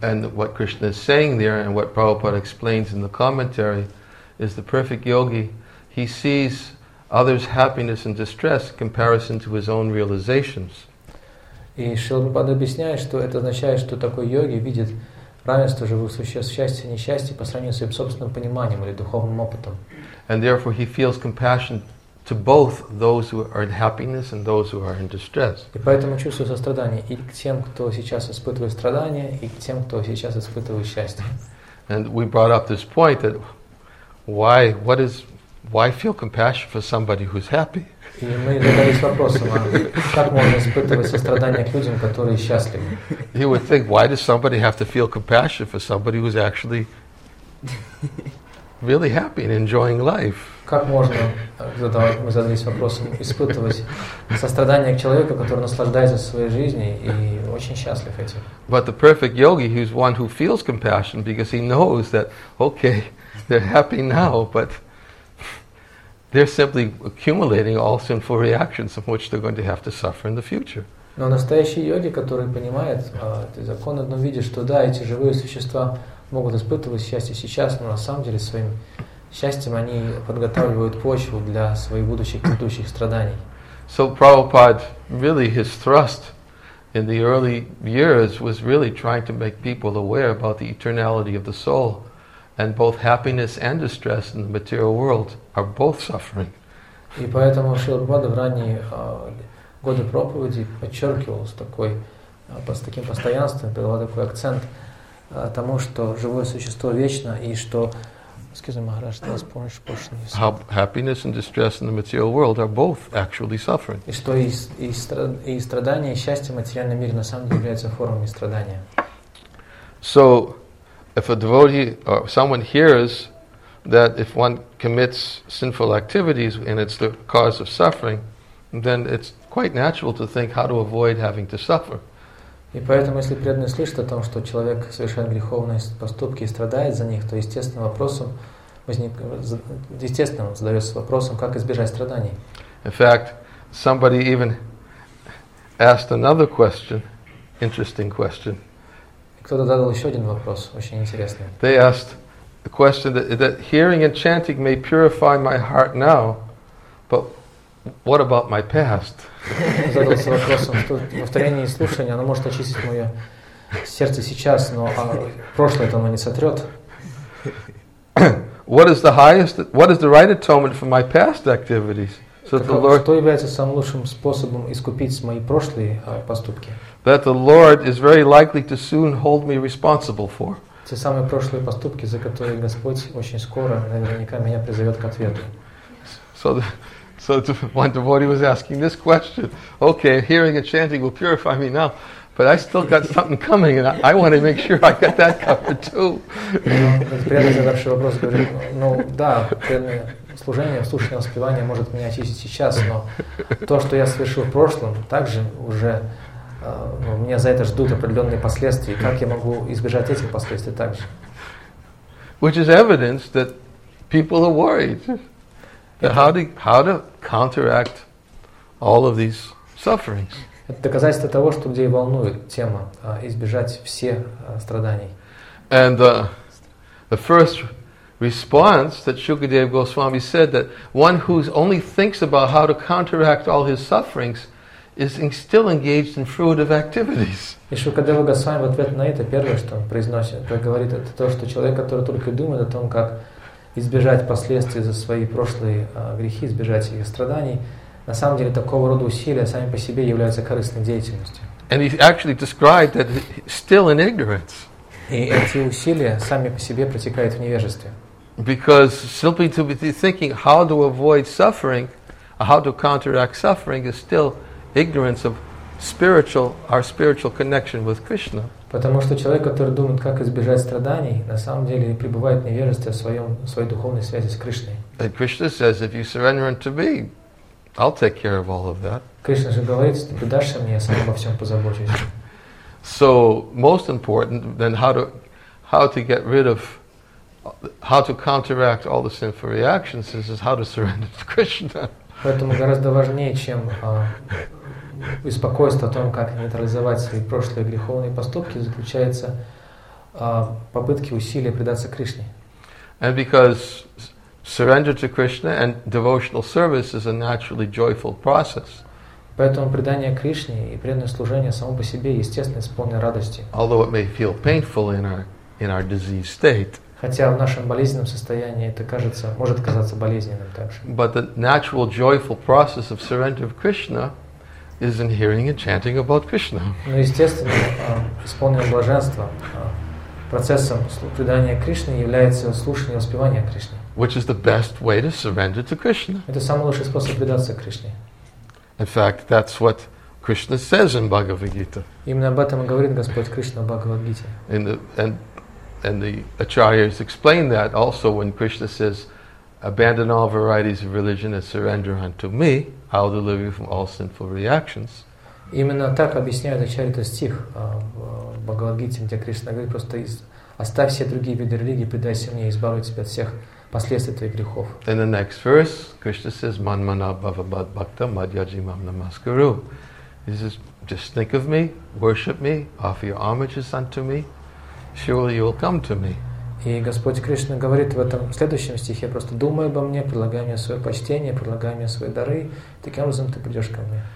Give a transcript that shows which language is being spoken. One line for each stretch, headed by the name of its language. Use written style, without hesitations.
English: And what Krishna is saying there, and what Prabhupada explains in the commentary, is the perfect yogi, he sees others' happiness and distress in comparison to his own realizations.
Russian: И Шрила Прабхупада объясняет, что это означает, что такой йоги видит равенство живых существ, счастье и несчастье по сравнению с своим собственным пониманием или духовным опытом.
English: And therefore he feels compassion to both those who are in happiness and those who are in distress.
Russian: И поэтому чувствует сострадание и к тем, кто сейчас испытывает страдания, и к тем, кто сейчас испытывает счастье.
English: And we brought up this point that why feel compassion for somebody who's happy?
Russian: И мы задались вопросом, а как можно испытывать сострадание к людям, которые счастливы?
English: He would think, why does somebody have to feel compassion for somebody who's actually really happy and enjoying life?
Russian: Как можно, мы задались вопросом, испытывать сострадание к человеку, который наслаждается своей жизнью и очень счастлив этим?
English: But the perfect yogi, he's one who feels compassion because he knows that, okay, they're happy now, but they're simply accumulating all sinful reactions from which they're going to have to suffer in the future.
Russian: Но настоящий йоги, который понимает этот закон, он видит, что да, эти живые существа могут испытывать счастье сейчас, но на самом деле своим счастьем они подготавливают почву для своих будущих страданий.
English: So Prabhupada, really his thrust in the early years was really trying to make people aware about the eternality of the soul. And both happiness and distress in the material world are both suffering.
Russian: И поэтому Шрила Прабхупада в ранние годы проповеди подчеркивал с таким постоянством, придавал такой акцент тому, что живое существо вечно и что,
English: excuse me, Maharaj, that was Purnish portion. How happiness and distress in the material world are both actually suffering.
Russian: И что и страдания, и счастье в материальном мире на самом деле являются формами страдания.
English: So if a devotee or someone hears that if one commits sinful activities and it's the cause of suffering, then it's quite natural to think how to avoid having to suffer.
Russian: И поэтому, если преданный слышит о том, что человек совершает греховные поступки и страдает за них, то естественным задается вопросом, как избежать страданий.
English: In fact, somebody even asked another question, interesting question.
Russian: Кто-то задал еще один вопрос, очень интересный.
English: They asked, the question that hearing and chanting may purify my heart now, but what about my past?
Russian: Задался вопросом, что повторение и слушание, оно может очистить мое сердце сейчас, но прошлое-то оно не сотрет.
English: What is the right atonement for my past activities? So the Lord.
Russian: Что является самым лучшим способом искупить мои прошлые поступки?
English: That the Lord is very likely to soon hold me responsible for.
Russian: Те самые прошлые поступки, за которые Господь очень скоро, наверняка, меня призовет к ответу.
English: So one devotee was asking this question. Okay, hearing and chanting will purify me now, but I still got something coming, and I want to make sure I got that covered too.
Russian: Преданный задавший вопрос говорит: ну да, служение, слушание, воспевание может меня очистить сейчас, но то, что я совершил в прошлом, также уже меня за это ждут определенные последствия. Как я могу избежать этих последствий также?
English: Which is evidence that people are worried. How to counteract all of these sufferings?
Russian: Это доказательство того, что людей волнует тема избежать всех страданий.
English: And the first response that Shukadeva Goswami said that one who only thinks about how to counteract all his sufferings is still engaged in fruitive activities.
Russian: И Шукадева Госвами в ответ на это первое, что он произносит, говорит, это то, что человек, который только думает о том, как избежать последствий за свои прошлые грехи, избежать их страданий, на самом деле такого рода усилия сами по себе являются корыстной деятельностью.
English: And he actually described that still in ignorance.
Russian: И эти усилия сами по себе протекают в невежестве.
English: Because simply to be thinking how to avoid suffering, how to counteract suffering is still ignorance of our spiritual connection with Krishna.
Russian: Потому что человек, который думает, как избежать страданий, на самом деле пребывает в невежестве своей духовной связи с Кришной.
English: And Krishna says, if you surrender unto me, I'll take care of all of that.
Russian: Кришна же говорит, если ты предашься мне, я сам обо всем позабочусь.
English: So most important then how to counteract all the sinful reactions is how to surrender to Krishna.
Russian: Поэтому гораздо важнее, чем беспокойство о том, как нейтрализовать свои прошлые греховные поступки, заключается попытки усилия предаться Кришне.
English: And because surrender to Krishna and devotional service is a naturally joyful process.
Russian: Поэтому предание Кришне и преданное служение само по себе естественно исполнено радости.
English: Although it may feel painful in our diseased state.
Russian: Хотя в нашем болезненном состоянии это кажется, может казаться болезненным также.
English: But the natural joyful process of surrender to Krishna is in hearing and chanting about Krishna.
Russian: Но естественно, исполнение блаженства процессом предания Кришне является слушание и воспевание Кришны.
English: Which is the best way to surrender to Krishna.
Russian: Это самый лучший способ предаться Кришне.
English: In fact, that's what Krishna says in Bhagavad Gita.
Russian: Именно об этом и говорит Господь Кришна в Бхагавад Гите.
English: And the acharyas explain that also when Krishna says, abandon all varieties of religion and surrender unto me, I'll deliver you from all sinful reactions.
Russian: Именно так объясняют ачарьи стих в Бхагавад Гите, где Кришна говорит, просто оставь все другие виды религии, предайся мне, избавлю тебя от всех последствий твоих грехов.
English: In the next verse, Krishna says,
Sanskrit: man mana bhava bhad bhakta madhyaji mam namaskaru.
English: He says, just think of me, worship me, offer your homages unto me, surely you will come to me.
Russian: И Господь Кришна говорит в этом следующем стихе, просто думай обо мне, предлагай мне свое почтение, предлагай мне свои дары, таким образом ты придешь ко мне.